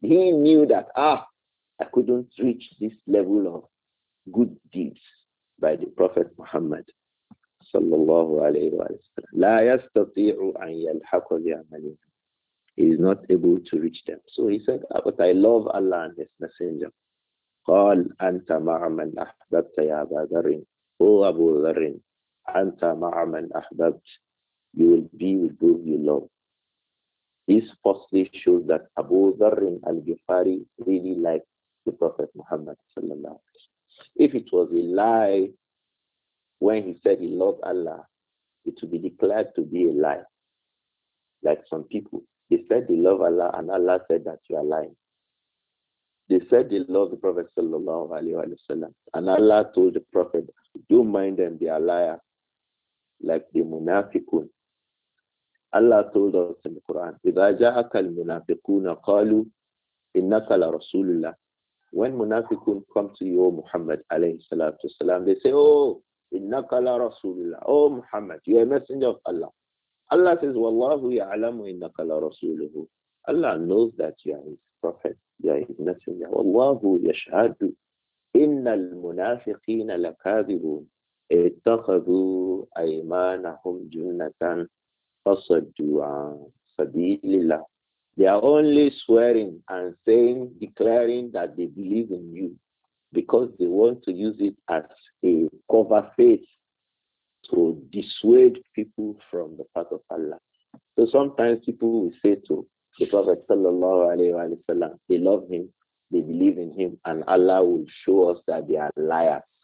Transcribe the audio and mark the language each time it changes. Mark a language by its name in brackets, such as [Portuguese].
[English] He knew that, I couldn't reach this level of good deeds by the Prophet Muhammad sallallahu alayhi wa sallam. [Arabic] لا يستطيع أن يلحق بعمله. [English] He is not able to reach them. So he said, but I love Allah and his messenger. [Arabic] قال أنت مع من أحببت يا أبا ذر. [English] O Abu Dharr, [Arabic] أنت مع من أحببت. [English] You will be with those you love. This firstly shows that Abu Dharr al-Ghifari really liked the Prophet Muhammad sallallahu alaihi wasallam. If it was a lie when he said he loved Allah, it would be declared to be a lie. Like some people, they said they love Allah and Allah said that you are lying. They said they love the Prophet sallallahu alaihi wasallam and Allah told the Prophet, don't mind them, they are liars, like the munafiqun. Allah told us in the Quran, [Arabic] إِذَا جَاءَكَ الْمُنَافِقُونَ قَالُوا إِنَّكَ لَرَسُولُ اللَّهِ. [English] When Munafiqun come to you, Muhammad alayhi salatu salam, they say, oh, [Arabic] innaka la rasulullah. [English] Oh, Muhammad, you are a messenger of Allah. Allah says, [Arabic] wallahu ya'alamu innaka la rasuluhu. [English] Allah knows that you are his prophet, you are his messenger. [Arabic] Wallahu yashhadu innal munafiqin lakadibun. اتخذوا أيمانهم جنة فصدوا عن سبيل الله. [English] They are only swearing and saying, declaring that they believe in you because they want to use it as a cover faith to dissuade people from the path of Allah. So sometimes people will say to the Prophet sallallahu alayhi wa sallam, they love him, they believe in him, and Allah will show us that they are liars.